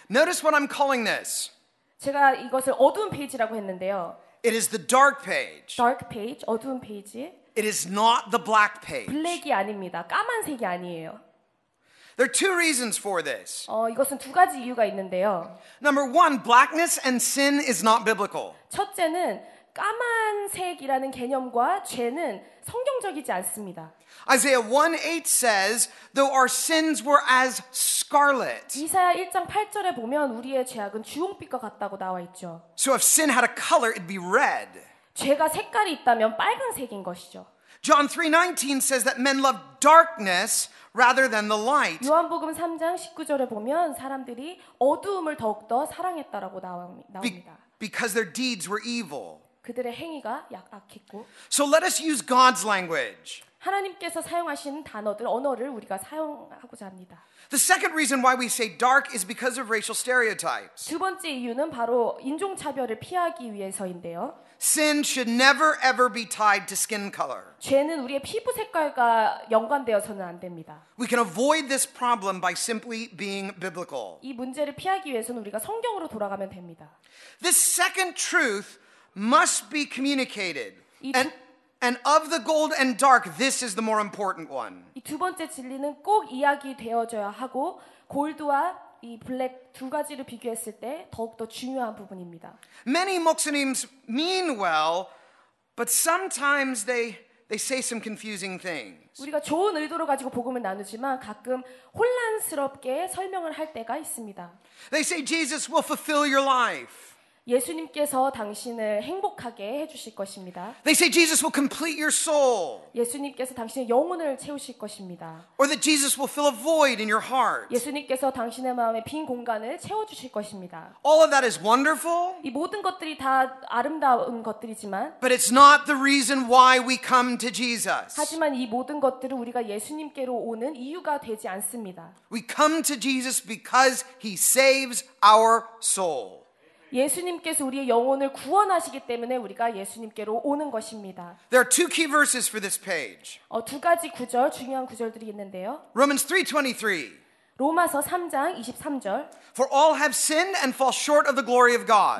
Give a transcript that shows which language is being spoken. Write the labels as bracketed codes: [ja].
[en] Notice what I'm calling this. [ko] 제가 이것을 어두운 페이지라고 했는데요. [en] It is the dark page. Dark page, [ko] 어두운 페이지. [en] It is not the black page. [ko] 블랙이 아닙니다. 까만색이 아니에요. [en] There are two reasons for this. [ko] 이것은 두 가지 이유가 있는데요. [en] Number one, blackness and sin is not biblical. [ko] 첫째는 까만색이라는 개념과 죄는 성경적이지 않습니다. [en] Isaiah 1:8 says, though our sins were as scarlet. [ko] 이사야 1장 8절에 보면 우리의 죄악은 주홍빛과 같다고 나와 있죠. [en] So if sin had a color, it'd be red. [ko] 죄가 색깔이 있다면 빨간색인 것이죠. [en] John 3:19 says that men love darkness rather than the light. [ko] 요한복음 3장 19절에 보면 사람들이 어두움을 더욱더 사랑했다라고 나옵니다. [en] Because their deeds were evil. [ko] 그들의 행위가 악했고. [en] So let us use God's language. [ko] 하나님께서 사용하신 단어들 언어를 우리가 사용하고자 합니다. [en] The second reason why we say dark is because of racial stereotypes. [ko] 두 번째 이유는 바로 인종 차별을 피하기 위해서인데요. [en] Sin should never ever be tied to skin color. [ko] 죄는 우리의 피부 색깔과 연관되어서는 안 됩니다. [en] We can avoid this problem by simply being biblical. [ko] 이 문제를 피하기 위해서는 우리가 성경으로 돌아가면 됩니다. [en] This second truth must be communicated. And of the gold and dark, this is the more important one. [ko] 이 두 번째 진리는 꼭 이야기되어져야 하고 골드와 이 블랙 두 가지를 비교했을 때 더욱더 중요한 부분입니다. [en] Many Muslims mean well, But sometimes they say some confusing things. [ko] 우리가 좋은 의도로 가지고 복음을 나누지만 가끔 혼란스럽게 설명을 할 때가 있습니다. [en] They say Jesus will fulfill your life. [ko] 예수님께서 당신을 행복하게 해 주실 것입니다. [en] They say Jesus will complete your soul. [ko] 예수님께서 당신의 영혼을 채우실 것입니다. [en] Or that Jesus will fill a void in your heart. [ko] 예수님께서 당신의 마음의 빈 공간을 채워 주실 것입니다. [en] All of that is wonderful. [ko] 이 모든 것들이 다 아름다운 것들이지만 [en] But it's not the reason why we come to Jesus. [ko] 하지만 이 모든 것들은 우리가 예수님께로 오는 이유가 되지 않습니다. [en] We come to Jesus because he saves our soul. [ko] 예수님께서 우리의 영혼을 구원하시기 때문에 우리가 예수님께로 오는 것입니다. [en] There are two key verses for this page. [ko] 두 가지 구절 중요한 구절들이 있는데요. [en] Romans 3:23. [ko] 로마서 3장 23절. [en] For all have sinned and fall short of the glory of God.